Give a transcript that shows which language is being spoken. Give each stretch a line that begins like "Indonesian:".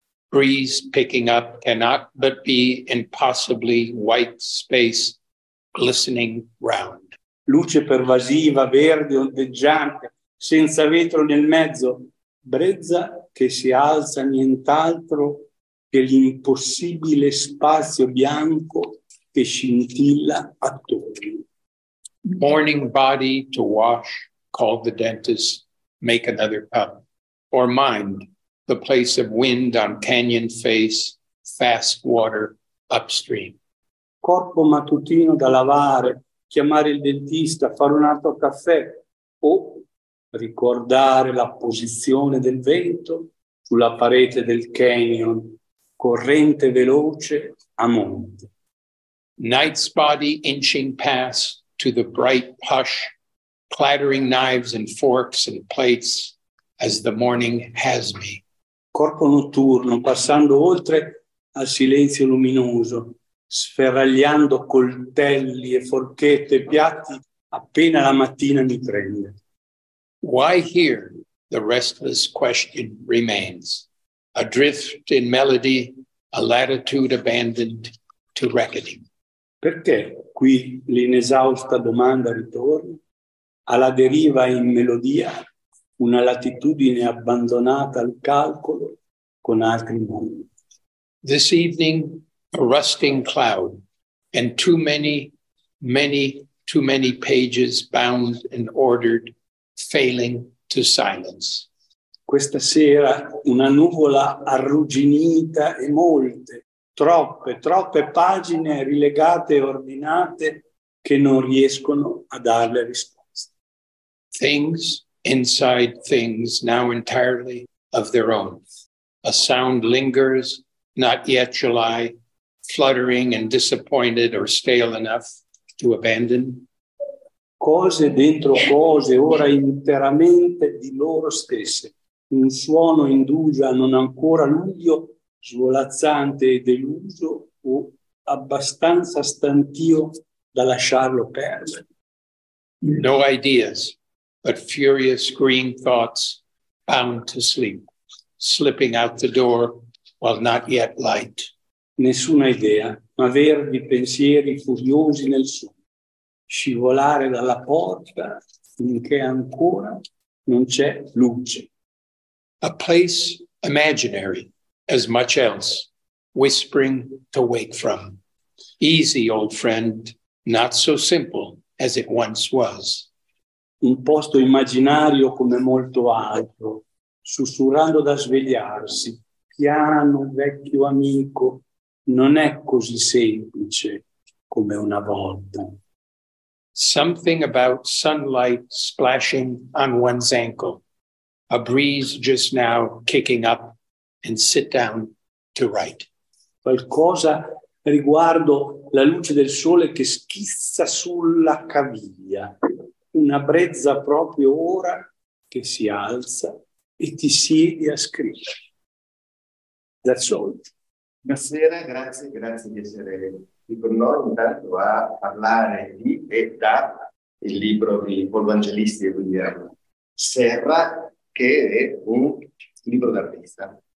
English: Breeze picking up cannot but be impossibly white space glistening round.
Italian: Luce pervasiva, verde, ondeggiante, senza vetro nel mezzo. Brezza che si alza nient'altro che l'impossibile spazio bianco che scintilla attorno.
English: Morning body to wash, call the dentist, make another cup. Or mind, the place of wind on canyon face, fast water upstream.
Italian: Corpo mattutino da lavare, chiamare il dentista, fare un altro caffè, o ricordare la posizione del vento sulla parete del canyon, corrente veloce a monte.
English: Night's body inching past to the bright hush, clattering knives and forks and plates as the morning has me.
Italian: Corpo notturno passando oltre al silenzio luminoso, sferragliando coltelli e forchette e piatti appena la mattina mi prende.
English: Why here? The restless question remains. Adrift in melody, a latitude abandoned to reckoning.
Italian: Perché qui l'inesausta domanda ritorna? Alla deriva in melodia, una latitudine abbandonata al calcolo con altri mondi.
English: This evening, a rusting cloud, and too many, many, too many pages bound and ordered, failing to silence.
Italian: Questa sera una nuvola arrugginita e molte, troppe, troppe pagine rilegate e ordinate che non riescono a darle risposte.
English: Things inside things now entirely of their own. A sound lingers, not yet July, fluttering and disappointed or stale enough to abandon.
Italian: Cose dentro cose, ora interamente di loro stesse. Un suono indugia, non ancora luglio, svolazzante e deluso, o abbastanza stantio da lasciarlo perdere.
English: No ideas, but furious green thoughts bound to sleep, slipping out the door while not yet light.
Italian: Nessuna idea, ma verdi pensieri furiosi nel sonno. Scivolare dalla porta finché ancora non c'è luce.
English: A place imaginary, as much else, whispering to wake from. Easy, old friend, not so simple as it once was.
Italian: Un posto immaginario come molto altro, sussurrando da svegliarsi. Piano, vecchio amico, non è così semplice come una volta.
English: Something about sunlight splashing on one's ankle, a breeze just now kicking up and sit down to write.
Italian: Qualcosa riguardo la luce del sole che schizza sulla caviglia, una brezza proprio ora che si alza e ti siedi a scrivere.
English: That's all.
Italian: Buonasera, grazie di essere qui con noi intanto a parlare di e da il libro di Paul Vangelisti e Guglielmo Serra, che è un libro d'artista.